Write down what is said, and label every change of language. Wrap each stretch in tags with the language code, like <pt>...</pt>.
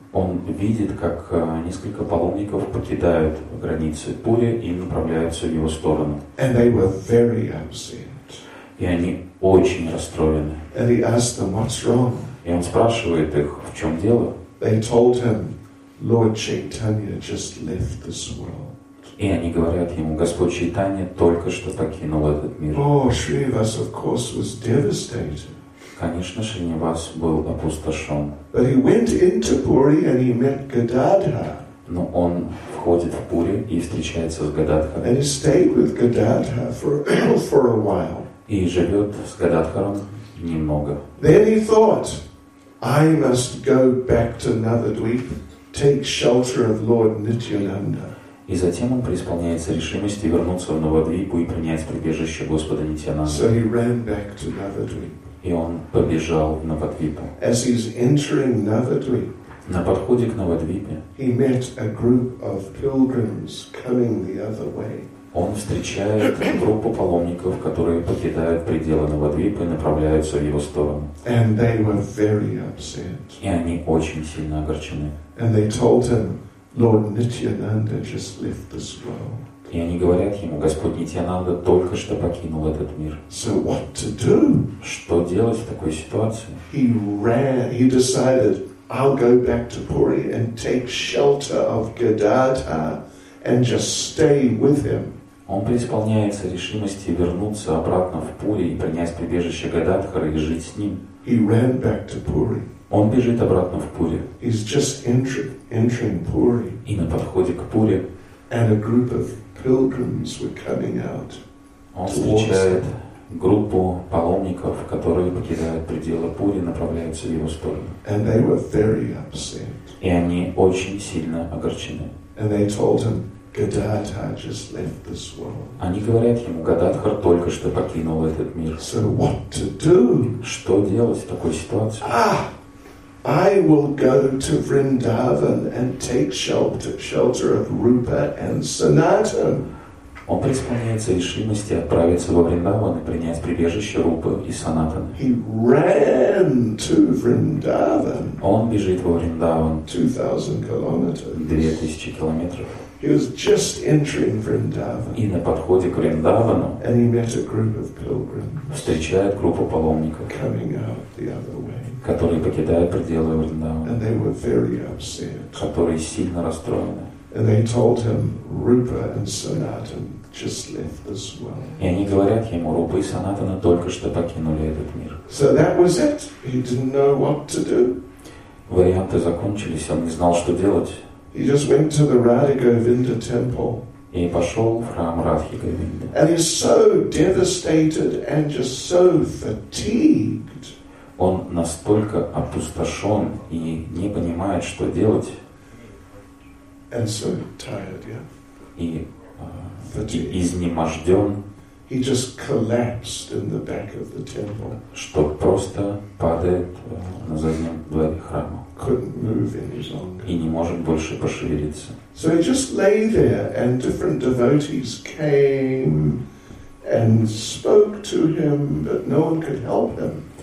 <ru>Он видит, как несколько паломников покидают границы Пури и направляются в его сторону.</ru> <en>And they were very upset.</en> <ru>И они очень расстроены.</ru> <en>And he asked them, "What's wrong?"</en> <ru>И он спрашивает их, в чем дело?</ru> <en>They told him, Lord Chaitanya just left this world.</en> <ru>И они говорят ему, Господь Чайтанья только что покинул этот мир.</ru> <en>Oh, Srinivas, of course, was devastated.</en> <ru>Конечно, Шринивас был опустошен.</ru> <en>But he went into Puri and he met Gadadhar.</en> <ru>Но он входит в Пури и встречается с Гададхар.</ru> <en>And he stayed with Gadadhar for a while.</en> <ru>И живет с Гададхаром немного.</ru> <en>Then he thought, I must go back to Navadvip. Take shelter of Lord Nityananda.</en> <ru>И затем он преисполняется решимости вернуться в Навадвипу и принять прибежище Господа Нитьянанды.</ru> <en>So he ran back to Navadvip.</en> <ru>И он побежал в Навадвипу.</ru> <en>As he's entering Navadvip,</en> <ru>на подходе к Навадвипе,</ru> <en>he met a group of pilgrims coming the other way.</en> <ru>Он встречает группу паломников, которые покидают пределы Навадвипа и направляются в его сторону.</ru> <en>And they were very upset.</en> <ru>И они очень сильно огорчены.</ru> <en>And they told him, Lord Nityananda just left this world.</en> <ru>И они говорят ему, Господь Нитьянанда только что покинул этот мир.</ru> <en>So what to do?</en> <ru>Что делать в такой ситуации?</ru> <en>He ran. He decided, I'll go back to Puri and take shelter of Gadadhar and just stay with him.</en> <ru>Он преисполняется решимости вернуться обратно в Пури и принять прибежище Гададхара и жить с ним.</ru> <en>He ran back to Puri.</en> <ru>Он бежит обратно в Пури.</ru> <en>He's just entering Puri.</en> <ru>И на подходе к Пури.</ru> <en>And a group of pilgrims were coming out.</en> <ru>Он встречает группу паломников, которые покидают пределы Пури, направляются в его сторону.</ru> <en>And they were very upset.</en> <ru>И они очень сильно огорчены.</ru> <en>And they told him, Gadadhar just left this world.</en> <ru>Они говорят ему, Гададхар только что покинул этот мир.</ru> <en>So what to do?</en> <ru>Что делать в такой ситуации? Ah!</ru> <en>I will go to Vrindavan and take shelter of Rupa and Sanatan.</en> <ru>Он преисполняется решимости отправиться во Вриндаван и принять прибежище Рупы и Санатаны.</ru> <en>He ran to Vrindavan.</en> <ru>Он бежит во Вриндаван.</ru> <en>2000 kilometers. He was just entering Vrindavan.</en> <ru>И на подходе к Вриндавану.</ru> <en>And he met a group of pilgrims.</en> <ru>Встречает группу паломников.</ru> <en>Coming out the other way.</en> <ru>Которые покидают пределы Вриндавана.</ru> <en>And they were very upset.</en> <ru>Которые сильно расстроены.</ru> <en>And they told him, Rupa and Sanatan just left this world.</en> <ru>И они говорят ему, Рупа и Санатана только что покинули этот мир.</ru> <en>So that was it. He didn't know what to do.</en> <ru>Варианты закончились, он не знал, что делать.</ru> <en>He just went to the Radhigovinda temple.</en> <ru>И пошел в храм Радхи-Говинды.</ru> <en>And he's so devastated and just so fatigued.</en> <ru>Он настолько опустошен и не понимает, что делать.</ru> <en>And so tired, yeah.</en> <ru>И изнеможден.</ru> <en>He just collapsed in the back of the temple.</en> <ru>Что просто падает на заднем дворе храма.</ru> <en>Couldn't move any longer.</en> <ru>И не может больше пошевелиться.</ru> <en>So he just lay there, and different devotees came and spoke to him, but no one could help him.</en>